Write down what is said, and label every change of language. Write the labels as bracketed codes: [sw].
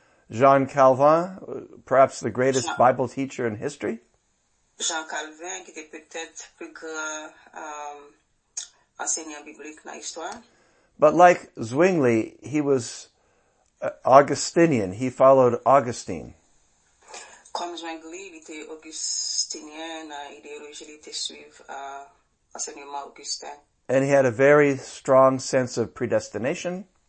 [en] Jean Calvin, perhaps the greatest Bible teacher in history. [fr] Jean Calvin, qui était peut-être plus grand enseignant biblique dans l'histoire. [en] But like Zwingli, he was Augustinian. He followed Augustine. [fr] Comme Zwingli, il était Augustinien, idéologie, il était suivre enseignement Augustin. [en] And he had a very strong sense of predestination.